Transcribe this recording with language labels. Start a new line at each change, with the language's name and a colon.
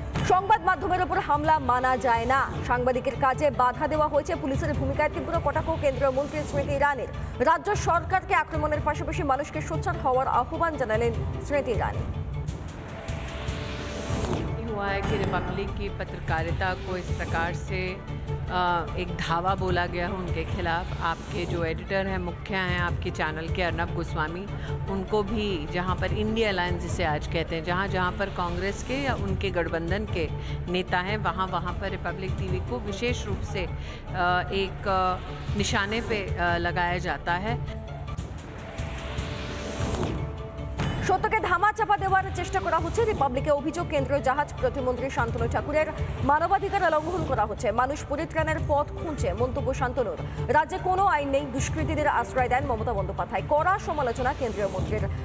Bangla: সংবাদ মাধ্যমের উপর হামলা মানা যায় না, সাংবাদিকের কাজে বাধা দেওয়া হয়েছে, পুলিশের ভূমিকায় তীব্র কটাক্ষ কেন্দ্রীয় মন্ত্রী স্মৃতি ইরানির। রাজ্য সরকারকে আক্রমণের পাশাপাশি মানুষকে সোচ্চার হওয়ার আহ্বান জানালেন স্মৃতি ইরানি।
Hindi: हुआ है कि रिपब्लिक की पत्रकारिता को इस प्रकार से एक धावा बोला गया है उनके खिलाफ। आपके जो एडिटर हैं, मुखिया हैं आपके चैनल के, अर्नब गोस्वामी, उनको भी जहां पर इंडिया अलायंस जिसे आज कहते हैं, जहां जहां पर कांग्रेस के या उनके गठबंधन के नेता हैं वहां वहां पर रिपब्लिक टीवी को विशेष रूप से एक निशाने पर लगाया जाता है।
Bangla: সত্যকে ধামা চাপা দেওয়ার চেষ্টা করা হচ্ছে, রিপাবলিকে অভিযোগ, কেন্দ্রীয় জাহাজ প্রতিমন্ত্রী শান্তনু ঠাকুরের মানবাধিকার লঙ্ঘন করা হচ্ছে, মানুষ পরিত্রাণের পথ খুঁজছে মন্তব্য শান্তনুর। রাজ্যে কোনো আইন নেই, দুষ্কৃতীদের আশ্রয় দেন মমতা বন্দ্যোপাধ্যায়, কড়া সমালোচনা কেন্দ্রীয় মন্ত্রীর।